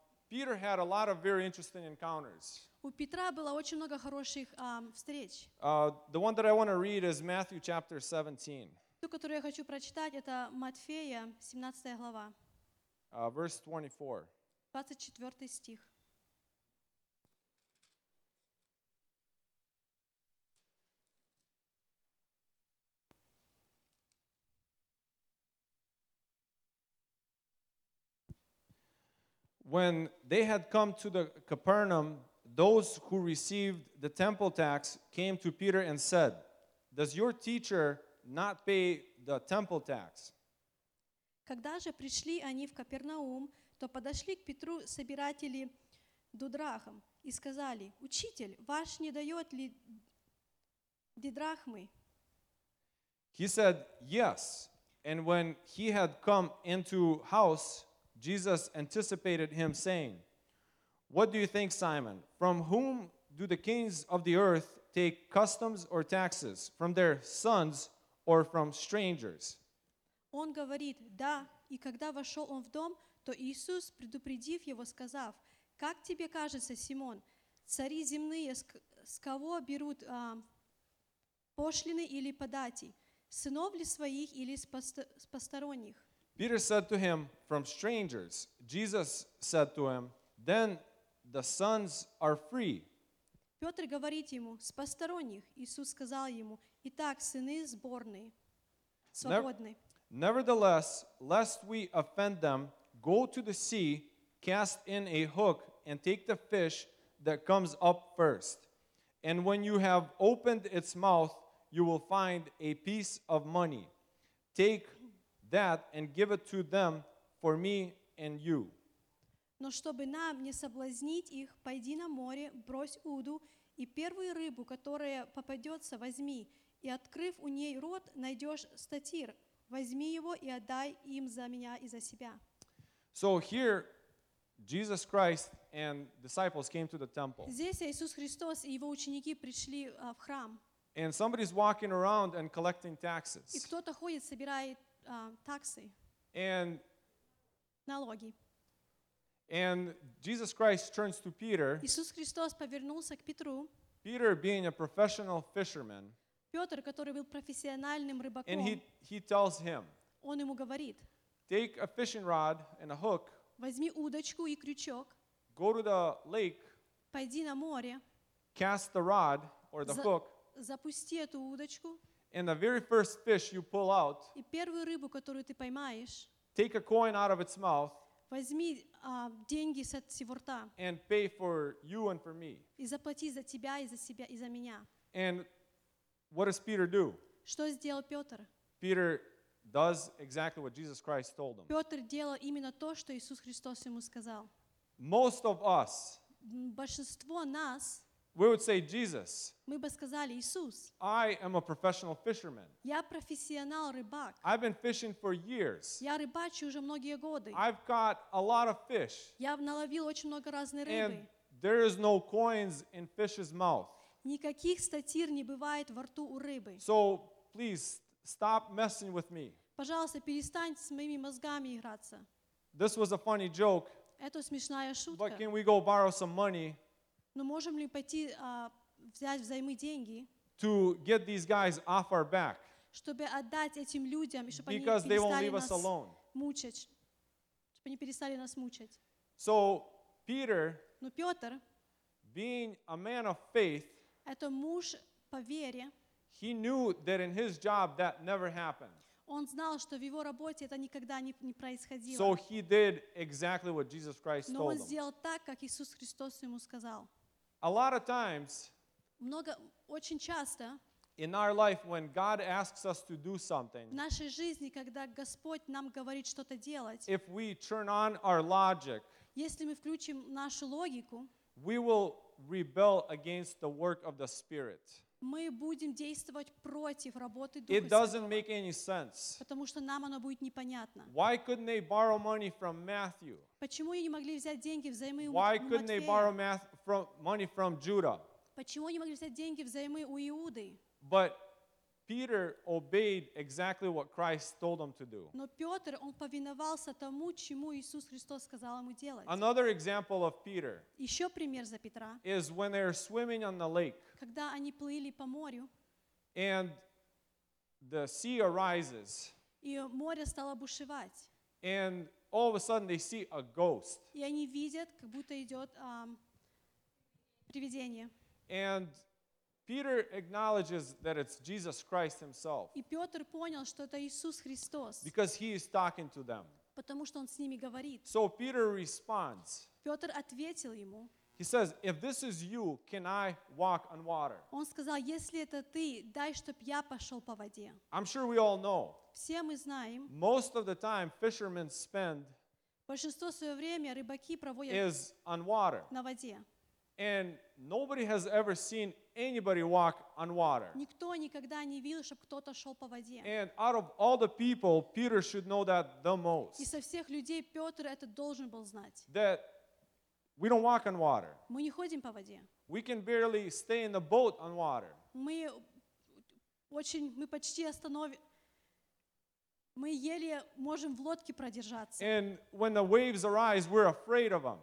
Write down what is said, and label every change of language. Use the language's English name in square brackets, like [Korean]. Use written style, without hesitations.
[English] Peter had a lot of very interesting encounters. [Russian] У Петра было очень много хороших встреч. [English] The one that I want to read is Matthew chapter 17. [Russian] То, которое я хочу прочитать, это Матфея, 17 глава. [English] Verse 24. [Russian] 24 стих. [English] When they had come to the Capernaum, those who received the temple tax came to Peter and said, "Does your teacher not pay the temple tax?" [Russian] Когда же пришли они в Капернаум, то подошли к Петру собиратели дудрахм и сказали: "Учитель, ваш не дает ли дидрахмы?" [English] He said, "Yes." And when he had come into house, Jesus anticipated him, saying, "What do you think, Simon? From whom do the kings of the earth take customs or taxes? From their sons or from strangers?" [Russian] Он говорит: "Да." И когда вошел он в дом, то Иисус, предупредив его, сказав: "Как тебе кажется, Симон, цари земные с кого берут пошлины или подати? Сынов ли своих или с посторонних?" [English] Peter said to him, "From strangers." Jesus said to him, "Then the sons are free." [Russian] Петр говорит ему: "С посторонних." Иисус сказал ему: "Итак, сыны сборные, свободны." [English] Nevertheless, lest we offend them, go to the sea, cast in a hook, and take the fish that comes up first. And when you have opened its mouth, you will find a piece of money. Take that and give it to them for me and you." [Russian] Но чтобы нам не соблазнить их, пойди на море, брось уду, и первую рыбу, которая попадется, возьми, и открыв у ней рот, найдешь статир. Возьми его и отдай им за меня и за себя. [English] So here, Jesus Christ and disciples came to the temple. [Russian] Здесь Иисус Христос и его ученики пришли в храм. [English] And somebody's walking around and collecting taxes. [Russian] И кто-то ходит, собирает таксы. [English] And [Russian] налоги. [English] And Jesus Christ turns to Peter. [Russian] Иисус Христос повернулся к Петру. [English] Peter, being a professional fisherman. [Russian] Петр, который был профессиональным рыбаком. [English] And he tells him. [Russian] Он ему говорит. [English] Take a fishing rod and a hook. [Russian] Возьми удочку и крючок. [English] Go to the lake. [Russian] Пойди на море. [English] Cast the rod or the hook. [Russian] Запусти эту удочку. [English] And the very first fish you pull out. [Russian] И первую рыбу, которую ты поймаешь. [English] Take a coin out of its mouth. [Russian] Возьми деньги с его рта. [English] And pay for you and for me. [Russian] И заплати за тебя и за себя и за меня. [English] And what does Peter do? [Russian] Что сделал Петр? [English] Peter does exactly what Jesus Christ told him. [Russian] Петр делал именно то, что Иисус Христос ему сказал. [English] Most of us. [Russian] Большинство нас. [English] We would say Jesus. [Russian] Мы бы сказали Иисус. [English] I am a professional fisherman. [Russian] Я профессионал рыбак. [English] I've been fishing for years. [Russian] Я рыбачу уже многие годы. [English] I've caught a lot of fish. [Russian] Я наловил очень много разной рыбы. [English] And there is no coins in fish's mouth. [Russian] Никаких статир не бывает во рту у рыбы. [English] So please stop messing with me. [Russian] Пожалуйста, перестаньте с моими мозгами играться. [English] This was a funny joke. [Russian] Это смешная шутка. [English] But can we go borrow some money? [Russian] Но можем ли пойти взять взаймы деньги? [English] To get these guys off our back. [Russian] Чтобы отдать этим людям, чтобы они перестали нас мучать. Чтобы они перестали нас мучать. [English] So Peter. [Russian] Но Петр. [English] Being a man of faith. [Russian] Это муж по вере. [English] He knew that in his job that never happened. [Russian] Он знал, что в его работе это никогда не происходило. [English] So he did exactly what Jesus Christ told him. [Russian] Но он сделал так, как Иисус Христос ему сказал. [English] A lot of times. [Russian] Много, очень часто. [English] In our life, when God asks us to do something. [Russian] В нашей жизни, когда Господь нам говорит что-то делать. [English] If we turn on our logic. [Russian] Если мы включим нашу логику. [English] We will rebel against the work of the Spirit. [Russian] Мы будем действовать против работы Духа [English] Святого. It doesn't make any sense. [Russian] Потому что нам оно будет непонятно. [English] Why couldn't they borrow money from Matthew? [Russian] Почему они не могли взять деньги взаймы у Матфея? [English] Why couldn't they borrow money from Judah? [Russian] Почему они не могли взять деньги взаймы у Иуды? [English] But Peter obeyed exactly what Christ told him to do. [Russian] Но Петр, он повиновался тому, чему Иисус Христос сказал ему делать. [English] Another example of Peter. [Russian] Еще пример за Петра. [English] Is when they are swimming on the lake. [Russian] Когда они плыли по морю. [English] And the sea arises. [Russian] И море стало бушевать. [English] And all of a sudden they see a ghost. [Russian] И они видят, как будто идет привидение. [English] And Peter acknowledges that it's Jesus Christ himself. [Russian] И Петр понял, что это Иисус Христос. [English] Because he is talking to them. [Russian] Потому что он с ними говорит. [English] So Peter responds. [Russian] Петр ответил ему. [English] He says, "If this is you, can I walk on water?" [Russian] Он сказал, если это ты, дай, чтоб я пошел по воде. [English] I'm sure we all know. [Russian] Все мы знаем. [English] Most of the time, fishermen spend. [Russian] Большинство своего времени рыбаки проводят. [English] Is on water. [Russian] На воде. [English] And nobody has ever seen anybody walk on water. [Russian] Никто никогда не видел, чтобы кто-то шел по воде. [English] And out of all the people, Peter should know that the most. [Russian] И со всех людей Петр это должен был знать. [English] That we don't walk on water. [Russian] Мы не ходим по воде. [English] We can barely stay in the boat on water. [Russian] Мы очень, мы почти останови, мы еле можем в лодке продержаться. [English] And when the waves arise, we're afraid of them.